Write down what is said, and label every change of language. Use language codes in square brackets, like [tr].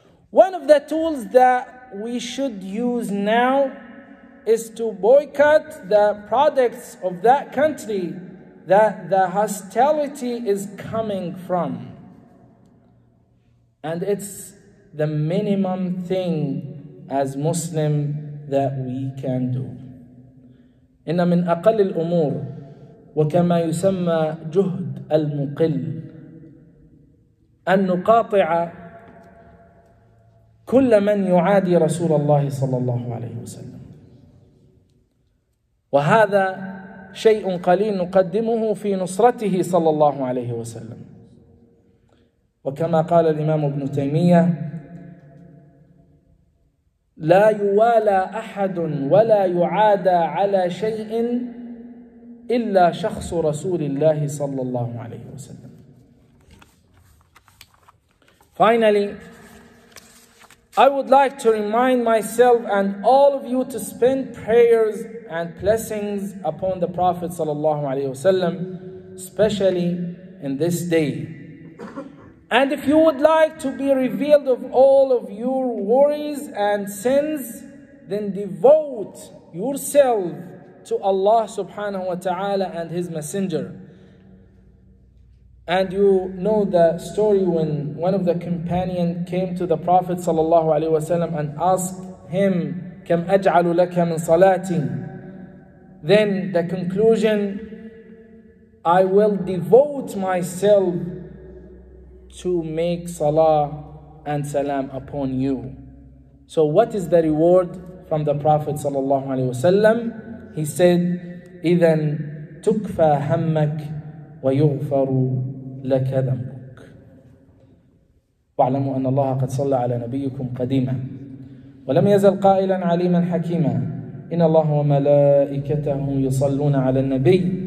[en] One of the tools that we should use now is to boycott the products of that country that the hostility is coming from. And it's the minimum thing as Muslim that we can do. [ar] إن من أقل الأمور وكما يسمى جهد المقل أن نقاطع كل من يعادي رسول الله صلى الله عليه وسلم. وهذا شيء قليل نقدمه في نصرته صلى الله عليه وسلم. وكما قال الإمام ابن تيمية, لا يوالى أحد ولا يعادى على شيء إلا شخص رسول الله صلى الله عليه وسلم. [en] Finally, I would like to remind myself and all of you to spend prayers and blessings upon the Prophet صلى الله عليه وسلم, especially in this day. And if you would like to be revealed of all of your worries and sins, then devote yourself to Allah subhanahu wa ta'ala and His Messenger. And you know the story when one of the companions came to the Prophet sallallahu alayhi wasallam and asked him, [ar] كَمْ أَجْعَلُ لَكَ مِنْ صَلَاتِي. [en] Then the conclusion, I will devote myself to make salah and salam upon you. So what is the reward from the Prophet sallallahu alayhi wasallam? He said, [ar] إِذَنْ تُكْفَى هَمَّكْ وَيُغْفَرُ لَكَ ذَنْبُكْ. وَاعْلَمُوا أَنَّ اللَّهَ قَدْ صَلَّى عَلَى نَبِيُّكُمْ قَدِيمًا وَلَمْ يَزَلْ قَائِلًا عَلِيمًا حَكِيمًا. إِنَّ اللَّهَ وَمَلَائِكَتَهُ يُصَلُّونَ عَلَى النَّبِيِّ.